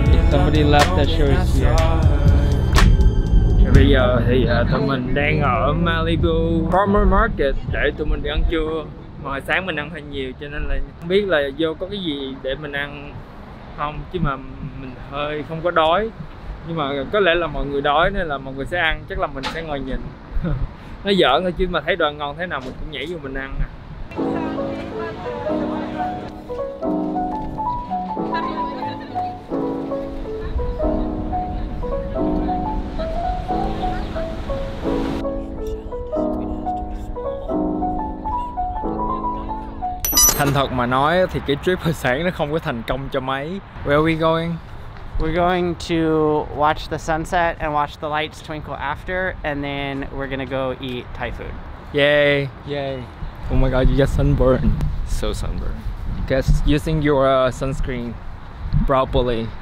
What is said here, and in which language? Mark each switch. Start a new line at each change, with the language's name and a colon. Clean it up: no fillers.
English: Somebody left that show is here.
Vietnamese: Bây giờ thì tụi mình đang ở Malibu Farmer Market để tụi mình đi ăn trưa. Mà hồi sáng mình ăn hơi nhiều cho nên là không biết là vô có cái gì để mình ăn không, chứ mà mình hơi không có đói. Nhưng mà có lẽ là mọi người đói nên là mọi người sẽ ăn, chắc là mình sẽ ngồi nhìn. Nó giỡn thôi chứ mà thấy đồ ăn ngon thế nào mình cũng nhảy vô mình ăn à. Thành thật mà nói thì cái trip hồi sáng nó không có thành công cho mấy.
English: Where are we going? We're going to watch the sunset and watch the lights twinkle after, and then we're gonna go eat Thai food. Yay! Yay! Oh my god, you got sunburned. So sunburned. Guess using your sunscreen properly.